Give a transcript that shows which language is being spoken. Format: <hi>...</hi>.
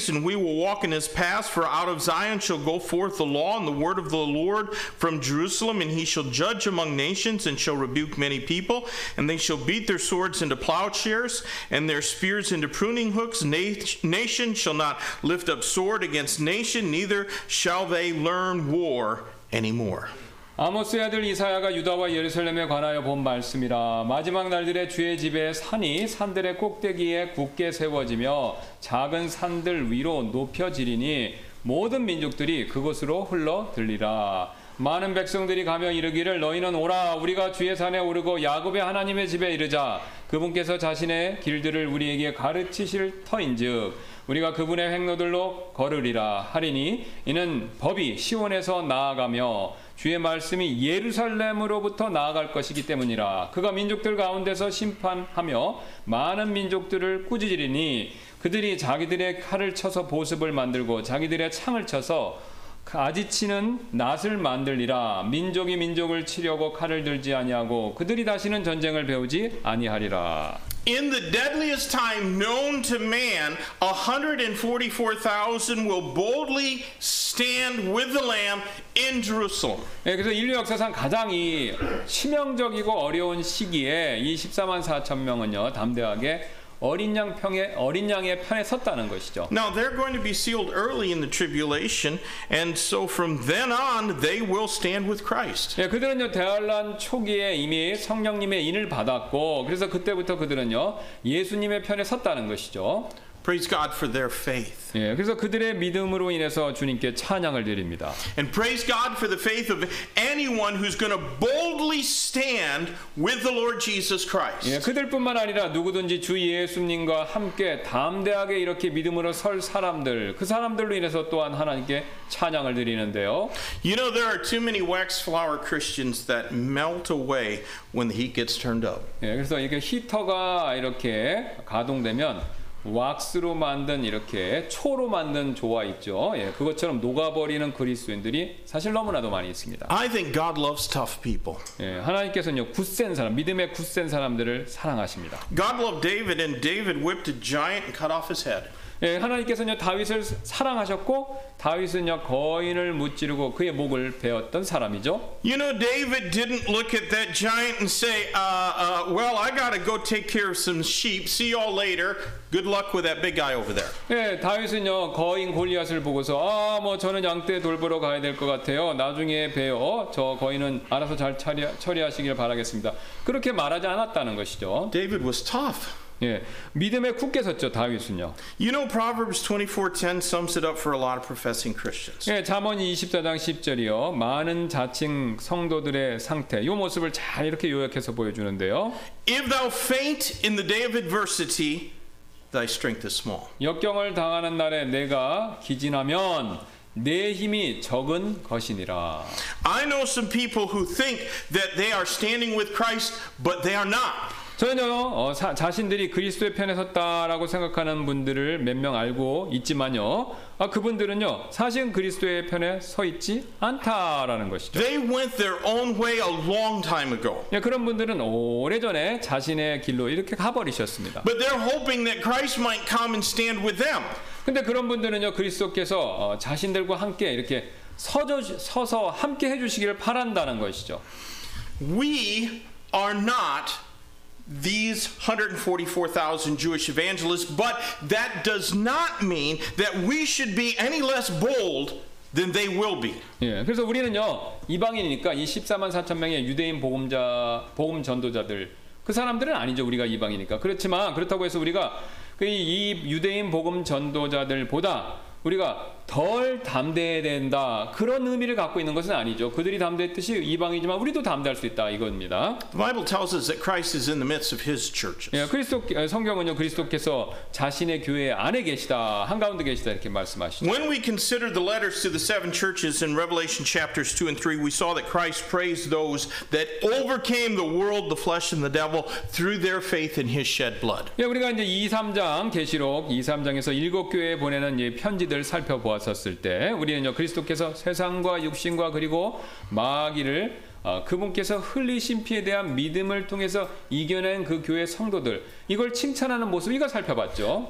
<en>And we will walk in his paths, for out of Zion shall go forth the law and the word of the Lord from Jerusalem, and he shall judge among nations and shall rebuke many people, and they shall beat their swords into plowshares and their spears into pruning hooks. Nation shall not lift up sword against nation, neither shall they learn war anymore.</en> <ko>아모스의 아들 이사야가 유다와 예루살렘에 관하여 본 말씀이라. 마지막 날들의 주의 집에 산이 산들의 꼭대기에 굳게 세워지며 작은 산들 위로 높여지리니 모든 민족들이 그곳으로 흘러들리라. 많은 백성들이 가며 이르기를 너희는 오라 우리가 주의 산에 오르고 야곱의 하나님의 집에 이르자. 그분께서 자신의 길들을 우리에게 가르치실 터인즉 우리가 그분의 횡로들로 걸으리라 하리니 이는 법이 시온에서 나아가며 주의 말씀이 예루살렘으로부터 나아갈 것이기 때문이라. 그가 민족들 가운데서 심판하며 많은 민족들을 꾸짖으리니 그들이 자기들의 칼을 쳐서 보습을 만들고 자기들의 창을 쳐서 아지치는 낫을 만들리라. 민족이 민족을 치려고 칼을 들지 아니하고 그들이 다시는 전쟁을 배우지 아니하리라.</ko> <en>In the deadliest time known to man, 144,000 will boldly stand with the Lamb in Jerusalem.</en> <ko>예, 그래서 인류 역사상 가장 이 치명적이고 어려운 시기에 이 14만 4천 명은요 담대하게 어린 양 편에 어린 양의 편에 섰다는 것이죠.</ko> <en>Now they're going to be sealed early in the tribulation, and so from then on they will stand with Christ.</en> <ko>예, 그들은요 대환란 초기에 이미 성령님의 인을 받았고, 그래서 그때부터 그들은요 예수님의 편에 섰다는 것이죠.</ko> <en>Praise God for their faith.</en> <ko>예, 그래서 그들의 믿음으로 인해서 주님께 찬양을 드립니다.</ko> <en>And praise God for the faith of anyone who's going to boldly stand with the Lord Jesus Christ.</en> <ko>예, 그들뿐만 아니라 누구든지 주 예수님과 함께 담대하게 이렇게 믿음으로 설 사람들, 그 사람들로 인해서 또한 하나님께 찬양을 드리는데요.</ko> <en>You know there are too many wax flower Christians that melt away when the heat gets turned up.</en> <ko>예, 그래서 이렇게 히터가 이렇게 가동되면 왁스로 만든 이렇게 초로 만든 조화 있죠. 예, 그것처럼 녹아버리는 그리스도인들이 사실 너무나도 많이 있습니다.</ko> <en>I think God loves tough people.</en> <ko>예, 하나님께서는요 굳센 사람, 믿음의 굳센 사람들을 사랑하십니다.</ko> <en>God loved David, and David whipped a giant and cut off his head.</en> <ko>예, 하나님께서는요 다윗을 사랑하셨고 다윗은요 거인을 무찌르고 그의 목을 베었던 사람이죠.</ko> <en>You know, David didn't look at that giant and say, "Well, I gotta go take care of some sheep. See y'all later." Good luck with that big guy over there.</en> <ko>예, 다윗은요 거인 골리앗을 보고서 아, 뭐 저는 양떼 돌보러 가야 될 것 같아요. 나중에 봬요. 저 거인은 알아서 잘 처리하시길 바라겠습니다. 그렇게 말하지 않았다는 것이죠.</ko> <en>David was tough.</en> <ko>예, 믿음에 굳게 섰죠, 다윗은요.</ko> <en>You know Proverbs 24:10 sums it up for a lot of professing Christians.</en> <ko>예, 잠언 24장 10절이요. 많은 자칭 성도들의 상태, 요 모습을 잘 이렇게 요약해서 보여주는데요.</ko> <en>If thou faint in the day of adversity, thy strength is small.</en> <ko>역경을 당하는 날에 내가 기진하면 내 힘이 적은 것이니라.</ko> <en>I know some people who think that they are standing with Christ, but they are not.</en> <ko>저는요, 자신들이 그리스도의 편에 섰다라고 생각하는 분들을 몇 명 알고 있지만요, 아, 그분들은요, 사실은 그리스도의 편에 서 있지 않다라는 것이죠.</ko> <en>They went their own way a long time ago.</en> <ko>예, 그런 분들은 오래전에 자신의 길로 이렇게 가버리셨습니다.</ko> <en>But they're hoping that Christ might come and stand with them.</en> <ko>근데 그런 분들은요, 그리스도께서 자신들과 함께 이렇게 서서 함께 해주시기를 바란다는 것이죠.</ko> <en>We are not these 144,000 Jewish evangelists, but that does not mean that we should be any less bold than they will be.</en> <ko>예, 그래서 우리는요 이방인이니까 이 14만 4천 명의 유대인 복음 전도자들, 그 사람들은 아니죠, 우리가 이방이니까. 그렇지만 그렇다고 해서 우리가 그 이 유대인 복음 전도자들보다 우리가 덜 담대해야 된다, 그런 의미를 갖고 있는 것은 아니죠. 그들이 담대했듯이 이방이지만 우리도 담대할 수 있다, 이겁니다.</ko> <en>The Bible tells us that Christ is in the midst of his churches.</en> <ko>예, 성경은요 그리스도께서 자신의 교회 안에 계시다, 한가운데 계시다 이렇게 말씀하시죠.</ko> <en>When we consider the letters to the seven churches in Revelation chapters 2 and 3, we saw that Christ praised those that overcame the world, the flesh and the devil through their faith in his shed blood.</en> <ko>예, 우리가 이제 계시록 2, 3장에서 일곱 교회에 보내는 이 편지들 살펴보 왔었을 때 우리는요 그리스도께서 세상과 육신과 그리고 마귀를 그분께서 흘리신 피에 대한 믿음을 통해서 이겨낸 그 교회 성도들, 이걸 칭찬하는 모습 이거 살펴봤죠.</ko>